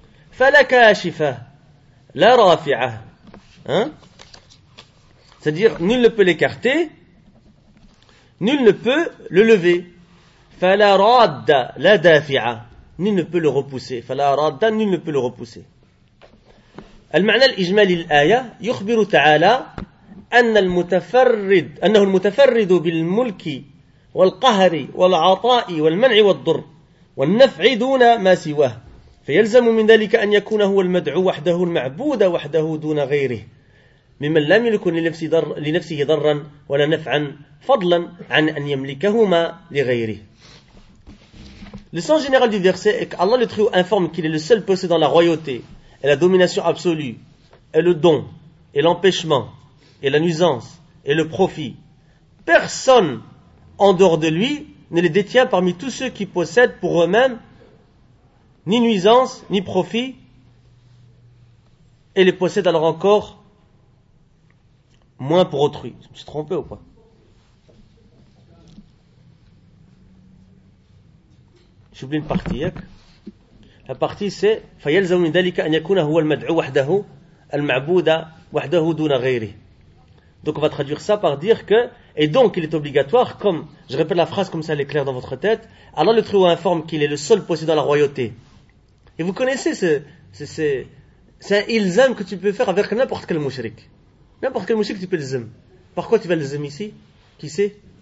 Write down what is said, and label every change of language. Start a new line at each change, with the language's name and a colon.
Arabic: Falakashifa, la rafi'a.
French: C'est-à-dire, nul ne peut l'écarter, nul ne peut le lever.
Arabic: Falaradda, la dafi'a.
French: Nul ne peut le repousser.
Arabic: المعنى الإجمالي للآية يخبر تعالى أن المتفرد أنه المتفرد بالملك والقهر والعطاء والمنع والضر والنفع دون ما سواه فيلزم من ذلك أن يكون هو المدعو وحده المعبود وحده دون غيره ممن لم يكن لنفسه ضرا ولا نفعا فضلا عن أن يملكهما لغيره.
French: Le sens général du verset est qu'Allah le Très-Haut informe qu'il est le seul possédant la royauté, et la domination absolue, et le don, et l'empêchement, et la nuisance, et le profit, personne en dehors de lui ne les détient parmi tous ceux qui possèdent pour eux-mêmes ni nuisance, ni profit, et les possèdent alors encore moins pour autrui. Je me suis trompé ou pas? J'oublie une partie. Hein? La partie c'est
Arabic: فَيَلْزَمُ مِنْ ذَلِكَ أَنْ يَكُونَ هُوَ الْمَدْعُ وَحْدَهُ الْمَعْبُودَ وَحْدَهُ دُونَ غَيْرِهِ.
French: Donc on va traduire ça par dire que, et donc il est obligatoire, comme, je répète la phrase comme ça elle est claire dans votre tête, Allah le trouve informe qu'il est le seul possédant de la royauté. Et vous connaissez c'est un ilzam que tu peux faire avec n'importe quel mushrik. N'importe quel mushrik tu peux l'ilzam. Pourquoi tu vas l'ilzam ici? Qui c'est?